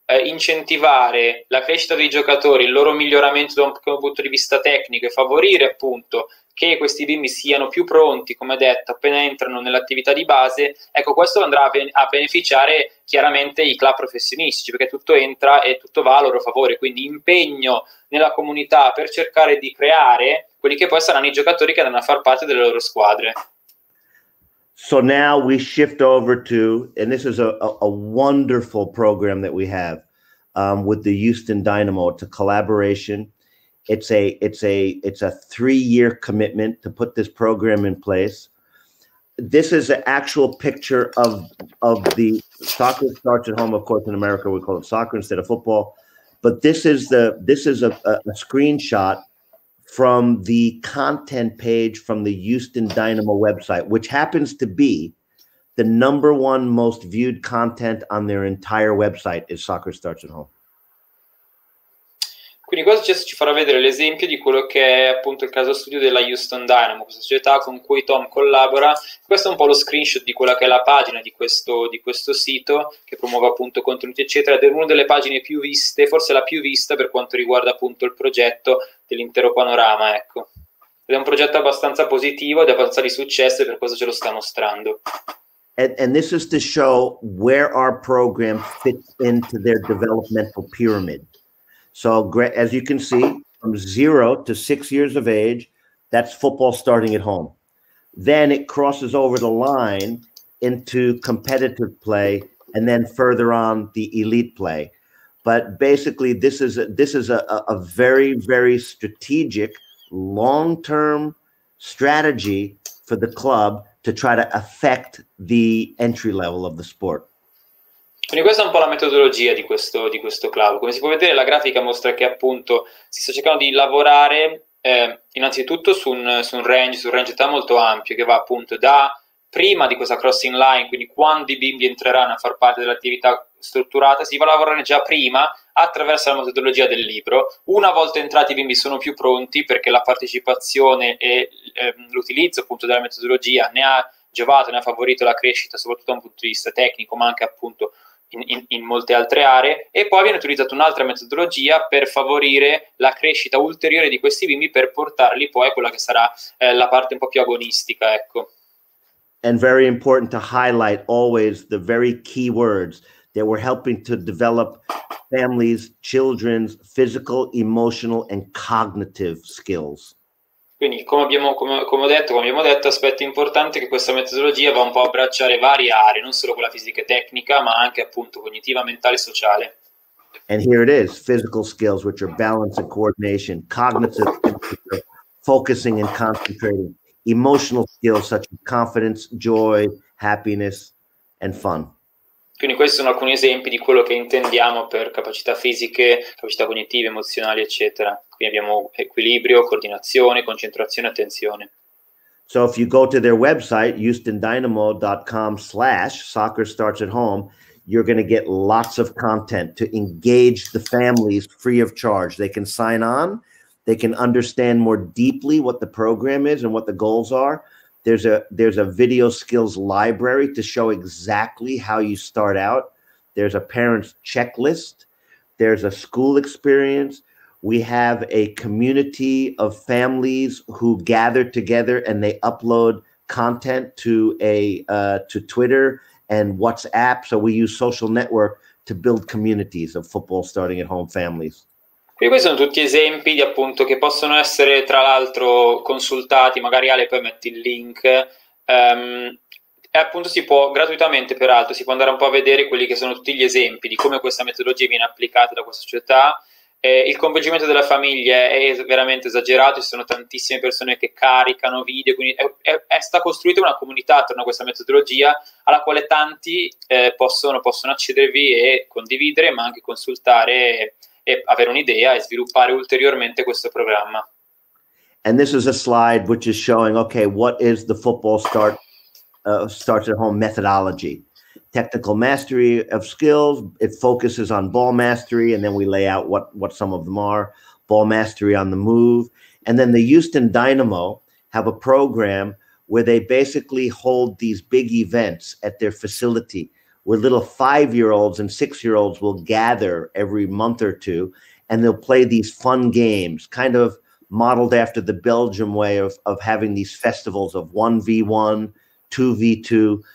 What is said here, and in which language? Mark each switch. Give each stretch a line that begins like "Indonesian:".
Italian: incentivare la crescita dei giocatori, il loro miglioramento da un punto di vista tecnico e favorire appunto che questi bimbi siano più pronti, come detto, appena entrano nell'attività di base. Ecco, questo andrà a beneficiare chiaramente i club professionistici, perché tutto entra e tutto va a loro favore, quindi impegno nella comunità per cercare di creare quelli che poi saranno i giocatori che andranno a far parte delle loro squadre.
English: So now we shift over to, and this is a wonderful program that we have with the Houston Dynamo. It's a collaboration. It's a 3-year commitment to put this program in place. This is an actual picture of the soccer starts at home. Of course, in America, we call it soccer instead of football. But this is a screenshot from the content page from the Houston Dynamo website, which happens to be the number one most viewed content on their entire website, is Soccer Starts at Home.
Italian: Quindi questo just ci farà vedere l'esempio di quello che è appunto il caso studio della Houston Dynamo, questa società con cui Tom collabora. Questo è un po' lo screenshot di quella che è la pagina di questo sito che promuove appunto contenuti eccetera, ed è una delle pagine più viste, forse la più vista per quanto riguarda appunto il progetto dell'intero panorama, ecco. Ed è un progetto abbastanza positivo ed abbastanza di successo, e per questo ce lo sta mostrando.
English: And this is to show where our program fits into their developmental pyramid. So as you can see, from 0 to 6 years of age, that's football starting at home. Then it crosses over the line into competitive play, and then further on the elite play. But basically, this is a very, very strategic, long-term strategy for the club to try to affect the entry level of the sport.
Italian: Quindi questa è un po' la metodologia di questo club. Come si può vedere, la grafica mostra che appunto si sta cercando di lavorare innanzitutto su un range età molto ampio, che va appunto da prima di questa crossing line, quindi quando i bimbi entreranno a far parte dell'attività strutturata, si va a lavorare già prima attraverso la metodologia del libro. Una volta entrati i bimbi sono più pronti, perché la partecipazione e l'utilizzo appunto della metodologia ne ha giovato, ne ha favorito la crescita, soprattutto da un punto di vista tecnico, ma anche appunto in molte altre aree, e poi viene utilizzata un'altra metodologia per favorire la crescita ulteriore di questi bimbi per portarli poi a quella che sarà la parte un po' più agonistica, ecco.
English: And very important to highlight always the very key words that we're helping to develop families, children's physical, emotional and cognitive skills.
Italian: Quindi, come abbiamo detto, aspetto importante che questa metodologia va un po' a abbracciare varie aree, non solo quella fisica e tecnica, ma anche appunto cognitiva, mentale e sociale.
English: And here it is, physical skills, which are balance and coordination, cognitive temperature, focusing and concentrating, emotional skills such as confidence, joy, happiness, and fun.
Italian: Quindi questi sono alcuni esempi di quello che intendiamo per capacità fisiche, capacità cognitive, emozionali, eccetera. Quindi abbiamo equilibrio, coordinazione, concentrazione, attenzione.
English: So if you go to their website, houstondynamo.com/soccerstartsathome, you're going to get lots of content to engage the families free of charge. They can sign on, they can understand more deeply what the program is and what the goals are. There's a video skills library to show exactly how you start out. There's a parent's checklist. There's a school experience. We have a community of families who gather together and they upload content to Twitter and WhatsApp. So we use social network to build communities of football starting at home families.
Italian: E questi sono tutti esempi di appunto che possono essere tra l'altro consultati, magari Ale poi metti il link, e appunto si può gratuitamente peraltro, si può andare un po' a vedere quelli che sono tutti gli esempi di come questa metodologia viene applicata da questa società. Il coinvolgimento della famiglia è veramente esagerato, ci sono tantissime persone che caricano video, quindi è sta costruita una comunità attorno a questa metodologia alla quale tanti possono accedervi e condividere, ma anche consultare e avere un'idea e sviluppare ulteriormente questo programma.
English: And this is a slide which is showing, okay, what is the football starts at home methodology? Technical mastery of skills, it focuses on ball mastery, and then we lay out what some of them are, ball mastery on the move. And then the Houston Dynamo have a program where they basically hold these big events at their facility, where little five-year-olds and six-year-olds will gather every month or two, and they'll play these fun games, kind of modeled after the Belgium way of having these festivals of 1v1, 2v2.